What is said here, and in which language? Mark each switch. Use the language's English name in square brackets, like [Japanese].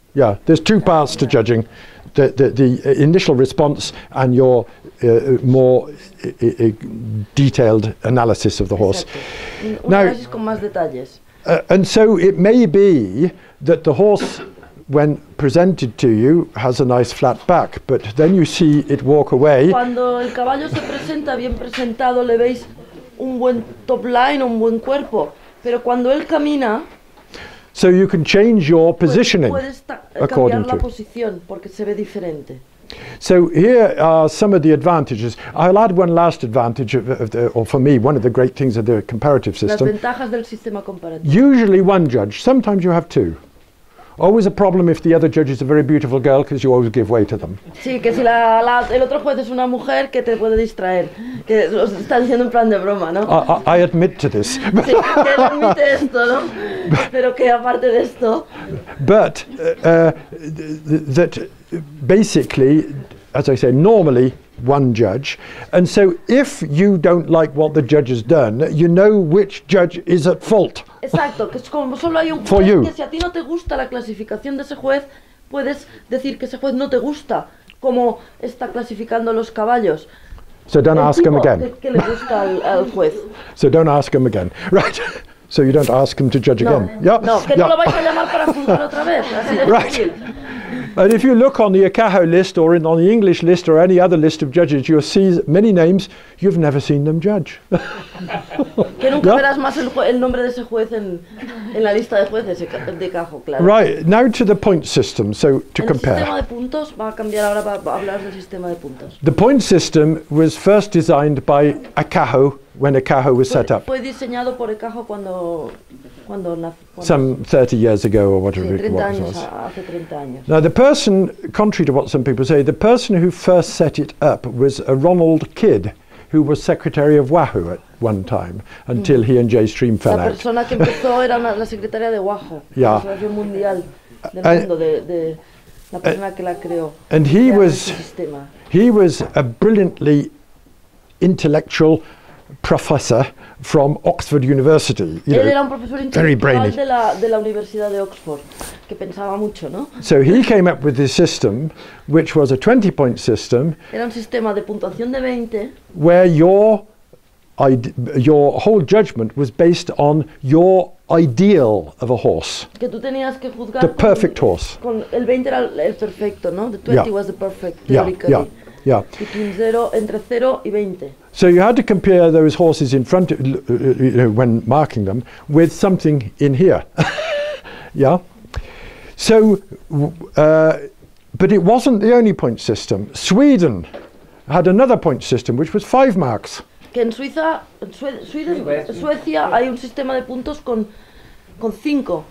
[English] Yeah, there's two parts to judging, the initial response and your more detailed analysis of the horse. [Spanish] Now, con más detalles. [English] And so it may be that the horse, when presented to you, has a nice flat back, but then you see it walk away. [Spanish] Cuando el caballo se presenta bien presentado, le veis un buen top line, un buen cuerpo, pero cuando él camina. [English] So you can change your positioning according [Spanish] to. Posición porque se ve diferente. [English] So here are some of the advantages. I'll add one last advantage, for me, one of the great things of the comparative system. [Spanish] Las ventajas del sistema comparativo. [English] Usually one judge, sometimes you have two. Always a problem if the other judge is a very beautiful girl, because you always give way to them. [Spanish] Sí, que si el otro juez es una mujer, que te puede distraer. Que os está diciendo en plan de broma, ¿no? [English] I admit to this. [Spanish] Sí, que él admite esto, ¿no? Pero que aparte de esto. [English] But that basically, as I say, normally one judge. And so if you don't like what the judge has done, you know which judge is at fault. [Spanish] Exacto, que es como solo hay un juez [English] for you. [Spanish] Que si a ti no te gusta la clasificación de ese juez, puedes decir que ese juez no te gusta cómo está clasificando los caballos. [English] So don't ask him again. [Spanish] Que le gusta al juez. [English] So don't ask him again. Right. So you don't ask him to judge again. [Spanish] No, lo vais a llamar para juzgar otra vez. Así de [English] right. And if you look on the ACAJO list or on the English list or any other list of judges, you'll see many names you've never seen them judge. [Spanish] Que nunca verás más el nombre de ese juez en la lista de jueces de ACAJO, claro. [English] Right, now to the point system, so to compare. [Spanish] El sistema de puntos va a cambiar ahora para hablar del sistema de puntos. [English] The point system was first designed by ACAJO when ACAJO was set up. [Spanish] Fue diseñado por ACAJO cuando [English] some 30 years ago or whatever [Spanish] sí, 30 [English] it was. [Spanish] Años, hace 30 años. [English] Now the person, contrary to what some people say, the person who first set it up was a Ronald Kidd, who was secretary of WAHO at one time, until he and Jay Stream fell out. [Spanish] La persona que empezó era la secretaria de WAHO, [English] yeah. [Spanish] La Asociación Mundial del Mundo, de la persona que la creó. [English] And he was a brilliantly intellectual professor from Oxford University, you [Spanish] él [English] know, [Spanish] era un profesor [English] very brainy. [Spanish] De la Universidad de Oxford, que pensaba mucho, ¿no? [English] So he came up with this system, which was a 20-point system. [Spanish] Era un sistema de puntuación de 20. [English] Where your whole judgment was based on your ideal of a horse. [Spanish] Que tú tenías que juzgar [English] the perfect horse. [Spanish] Con el 20 era el perfecto, ¿no? [English] The 20 was the perfect. [Spanish] Entre 0 y 20. [English] So you had to compare those horses in front, when marking them, with something in here. Yeah. So, but it wasn't the only point system. Sweden had another point system, which was 5 marks. [Spanish] Que en Suiza, Suecia, hay un sistema de puntos con 5.